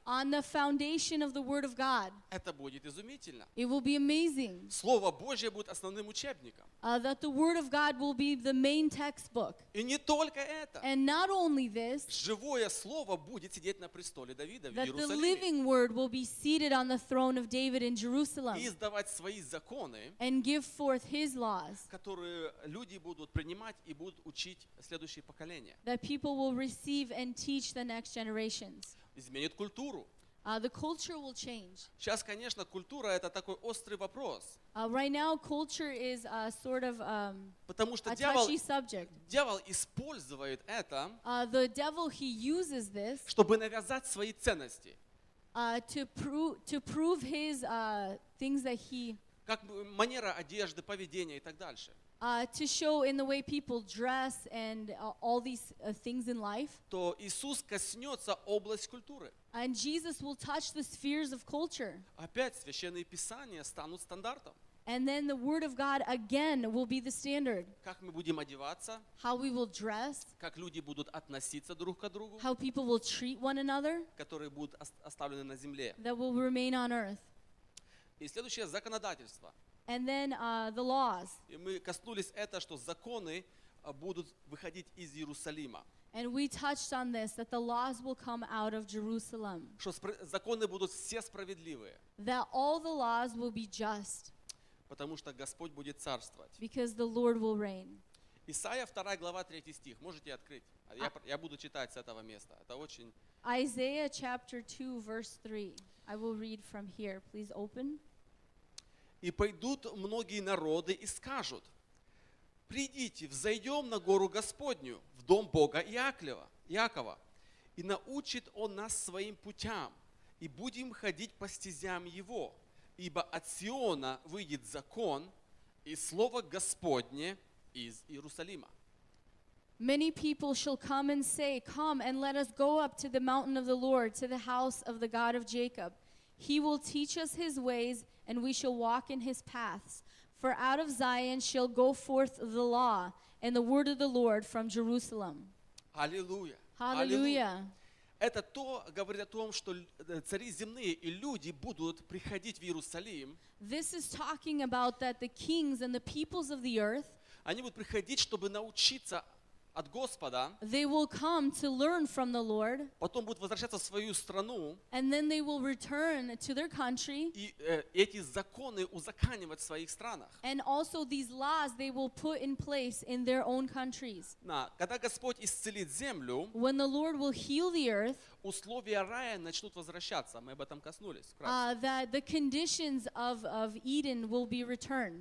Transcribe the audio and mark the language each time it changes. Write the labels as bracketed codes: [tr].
[en] On the foundation of the Word of God. [ru] Это будет изумительно. [en] It will be amazing. [ru] Слово Божье будет основным учебником. [en] That the Word of God will be the main textbook. [ru] И не только это. [en] And not only this. [ru] Живое слово будет сидеть на престоле Давида в Иерусалиме. [en] That the living Word will be seated on the throne of David in Jerusalem. [ru] И издавать свои законы. [en] And give forth His laws. [ru] Которые люди будут принимать и будут учить следующие поколения. [en] That people will receive and teach the next generations. [ru] Изменит культуру. [en] The culture will change. [ru] Сейчас, конечно, культура это такой острый вопрос. [en] Right now, culture is a sort of [ru] потому что [en] a touchy subject. [ru] Дьявол использует это. [en] The devil he uses this. [ru] Чтобы навязать свои ценности. [en] To prove his things that he. [ru] Как манера одежды, поведения и так дальше. [en] To show in the way people dress and all these things in life. [ru] То Иисус коснется область культуры. [en] And Jesus will touch the spheres of culture. [ru] Опять священные писания станут стандартом. [en] And then the word of God again will be the standard. [ru] Как мы будем одеваться? [en] How we will dress? [ru] Как люди будут относиться друг к другу? [en] How people will treat one another? [ru] Которые будут оставлены на земле. [en] That will remain on earth. [ru] И следующее законодательство. [en] And then the laws. [ru] И мы коснулись это, что законы будут выходить из Иерусалима. [en] And we touched on this, that the laws will come out of Jerusalem. [ru] Что законы будут все справедливые. [en] That all the laws will be just. [ru] Потому что Господь будет царствовать. [en] Because the Lord will reign. [ru] Исаия 2 глава 3 стих. Можете открыть? Я буду читать с этого места. Это очень. [en] Isaiah chapter 2 verse 3. I will read from here. Please open. [ru] И пойдут многие народы и скажут: «Придите, взойдем на гору Господню, в дом Бога Иакова, и научит Он нас своим путям, и будем ходить по стезям Его. Ибо от Сиона выйдет закон и слово Господне из Иерусалима». [en] Many people shall come and say, «Come and let us go up to the mountain of the Lord, to the house of the God of Jacob. He will teach us His ways, and we shall walk in His paths. For out of Zion shall go forth the law and the word of the Lord from Jerusalem. Hallelujah. Hallelujah. [ru] Это то говорит о том, что цари земные и люди будут приходить в Иерусалим. [en] This is talking about that the kings and the peoples of the earth. [ru] Они будут приходить, чтобы научиться. От Господа. [en] They will come to learn from the Lord. [ru] Потом будут возвращаться в свою страну. [en] And then they will return to their country. [ru] И эти законы узаконивать в своих странах. [en] And also these laws they will put in place in their own countries. [ru] На, когда Господь исцелит землю. [en] When the Lord will heal the earth. [ru] Условия рая начнут возвращаться. Мы об этом коснулись. [en] That the conditions of Eden will be returned.